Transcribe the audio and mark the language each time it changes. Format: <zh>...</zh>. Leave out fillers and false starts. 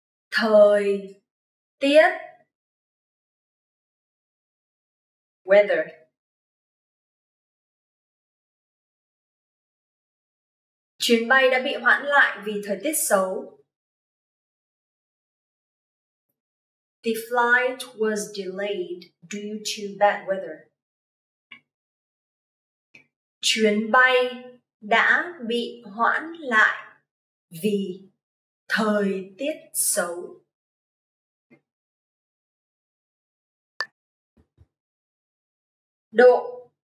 <vi>Thời tiết.</vi> <en>Weather.</en> <vi>Chuyến bay đã bị hoãn lại vì thời tiết xấu.</vi> <en>The flight was delayed due to bad weather.</en> <vi>Chuyến bay đã bị hoãn lại vì thời tiết xấu. Độ.</vi>